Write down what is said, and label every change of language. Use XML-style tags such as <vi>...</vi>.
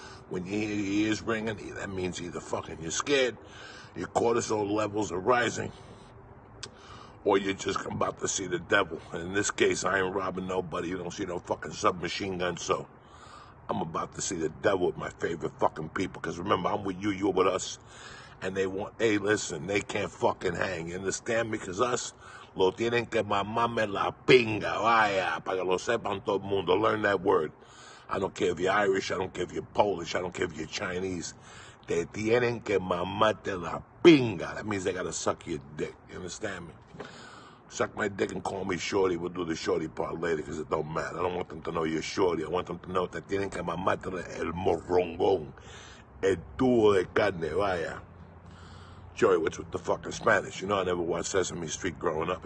<en>When you hear your ears ringing, that means either fucking you're scared, your cortisol levels are rising, or you're just about to see the devil. And in this case, I ain't robbing nobody. You don't see no fucking submachine gun, so I'm about to see the devil with my favorite fucking people. Because remember, I'm with you, you're with us. And they want, hey, listen, they can't fucking hang. You understand me? Because us,</en> <es>lo tienen que mamarme la pinga, vaya, para que lo sepan todo el mundo.</es> <en>Learn that word. I don't care if you're Irish, I don't care if you're Polish, I don't care if you're Chinese.</en> <es>Te tienen que mamarte la pinga.</es> <en>That means they got to suck your dick. You understand me? Suck my dick and call me shorty. We'll do the shorty part later because it don't matter. I don't want them to know you're shorty. I want them to know that</en> <es>tienen que mamarte el morrongón, el tubo de carne, vaya.</es> <en>Joey, what's with the fucking Spanish? You know I never watched Sesame Street growing up.</en>